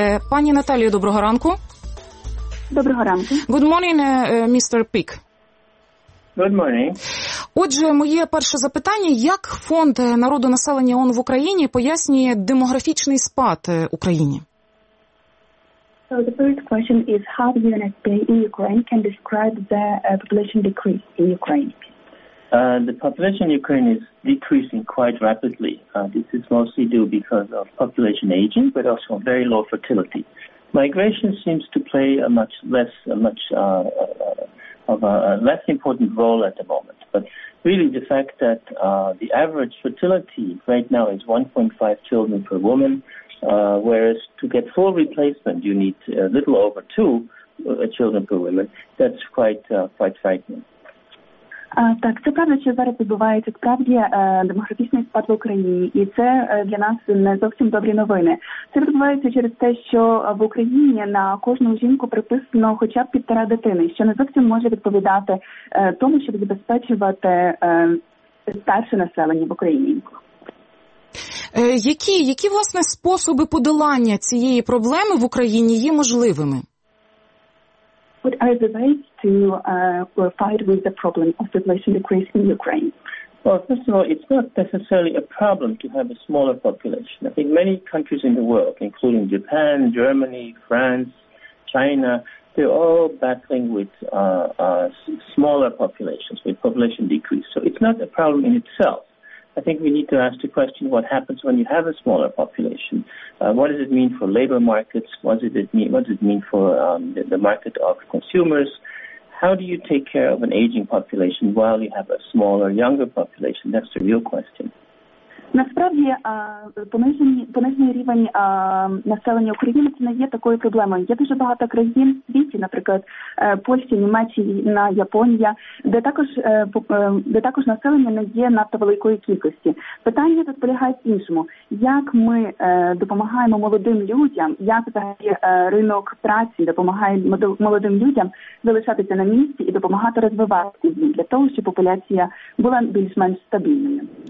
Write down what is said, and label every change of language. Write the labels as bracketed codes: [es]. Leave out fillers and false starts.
[uk] Пані Наталія, доброго ранку. Доброго ранку. [en] Good morning, Mr. Пік. Good morning. [uk] Отже, моє перше запитання. Як фонд народонаселення ООН в Україні пояснює демографічний спад Україні? [en] So the first question is how the UNFPA in Ukraine can describe the population decrease in Ukraine? The population in Ukraine is decreasing quite rapidly. This is mostly due because of population aging, but also very low fertility. Migration seems to play a less important role at the moment. But really the fact that the average fertility right now is 1.5 children per woman, whereas to get full replacement you need a little over 2 children per woman, that's quite frightening. [uk] Так, це правда, що зараз відбувається справді демографічний спад в Україні, і це для нас не зовсім добрі новини. Це відбувається через те, що в Україні на кожну жінку приписано хоча б 1.5 дитини, що не зовсім може відповідати тому, щоб забезпечувати старше населення в Україні. Які власне способи подолання цієї проблеми в Україні є можливими? [en] What are the ways to fight with the problem of population decrease in Ukraine? Well, first of all, it's not necessarily a problem to have a smaller population. I think many countries in the world, including Japan, Germany, France, China, they're all battling with smaller populations, with population decrease. So it's not a problem in itself. I think we need to ask the question, what happens when you have a smaller population? What does it mean for labor markets? What does it mean for the market of consumers? How do you take care of an aging population while you have a smaller, younger population? That's the real question. [uk] Насправді, понижений рівень населення України – це не є такою проблемою. Є дуже багато країн в світі, наприклад, Польща, Німеччина, Японія, де також населення не є надто великої кількості. Питання тут полягає в іншому. Як ми допомагаємо молодим людям, як взагалі ринок праці допомагає молодим людям залишатися на місці і допомагати розвиватися для того, щоб популяція була більш-менш стабільною?